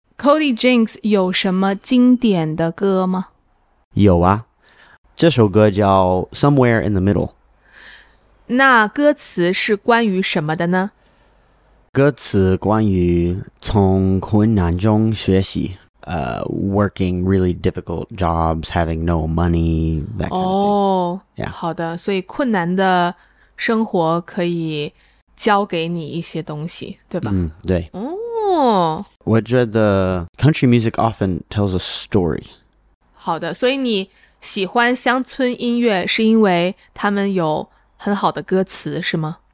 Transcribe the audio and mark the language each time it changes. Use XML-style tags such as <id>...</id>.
<zh>Cody Jinx 有什么经典的歌吗？有啊，这首歌叫 Somewhere in the Middle。那歌词是关于什么的呢？歌词关于从困难中学习。</zh> <en>Working really difficult jobs, having no money, that kind of thing. Oh, yeah.</en> <zh>好的，所以困难的生活可以教给你一些东西，对吧？嗯，对。</zh> <en>Oh.</en> <zh>我觉得</zh> <en>country music often tells a story.</en> <zh>好的，所以你喜欢乡村音乐是因为他们有很好的歌词，是吗？</zh>